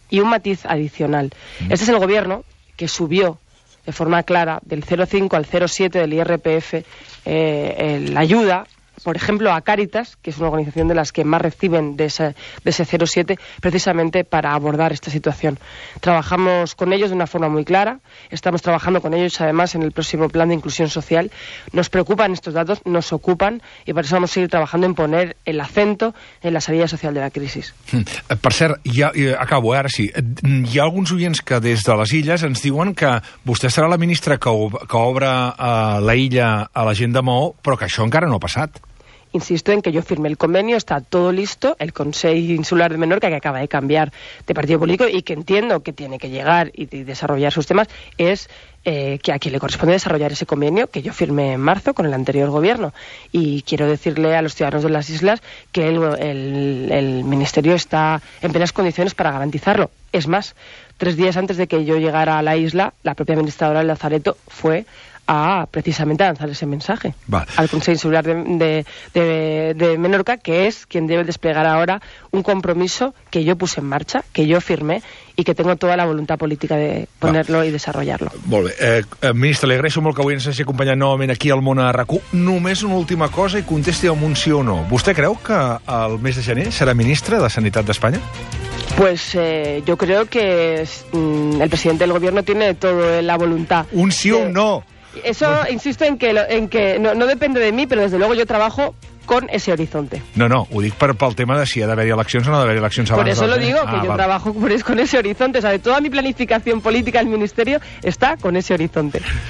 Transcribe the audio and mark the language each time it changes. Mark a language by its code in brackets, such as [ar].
[es] Y un matiz adicional. Este es el gobierno que subió de forma clara del 0,5 al 0,7 del IRPF la ayuda, por ejemplo, a Cáritas, que es una organización de las que más reciben de ese 0,7, precisamente para abordar esta situación. Trabajamos con ellos de una forma muy clara, estamos trabajando con ellos además en el próximo plan de inclusión social. Nos preocupan estos datos, nos ocupan, y por eso vamos a seguir trabajando en poner el acento en la salida social de la crisis. [ca] Per cert, ja acabo, ara sí. Hi ha alguns oients que des de les Illes ens diuen que vostè serà la ministra que obre la illa a la gent de Mahó, però que això encara no ha passat. [es] Insisto en que yo firmé el convenio, está todo listo, el Consejo Insular de Menorca, que acaba de cambiar de partido político y que entiendo que tiene que llegar y desarrollar sus temas, es que a quien le corresponde desarrollar ese convenio que yo firmé en marzo con el anterior gobierno. Y quiero decirle a los ciudadanos de las islas que el ministerio está en plenas condiciones para garantizarlo. Es más, 3 días antes de que yo llegara a la isla, la propia administradora del Lazareto fue precisamente a lanzar ese mensaje. Vale. Al Consejo Insular de Menorca, que es quien debe desplegar ahora un compromiso que yo puse en marcha, que yo firmé y que tengo toda la voluntad política de ponerlo y desarrollarlo. [ca] Molt bé. Ministre, li agraeixo molt que avui ens hagi acompanyat novament aquí al món a RAC1. Només una última cosa i contesti amb un sí o no. Vostè creu que el mes de gener serà ministre de Sanitat d'Espanya? [es] Pues yo creo que el presidente del gobierno tiene toda la voluntad. [ca] Un sí o un no. [es] Eso, insisto en que no depende de mí, pero desde luego yo trabajo con ese horizonte. [ca] No, ho dic pel tema de si ha d'haver-hi eleccions o no ha d'haver-hi eleccions abans. [es] Por eso lo digo, que yo trabajo con ese horizonte. O sea, toda mi planificación política del ministerio está con ese horizonte.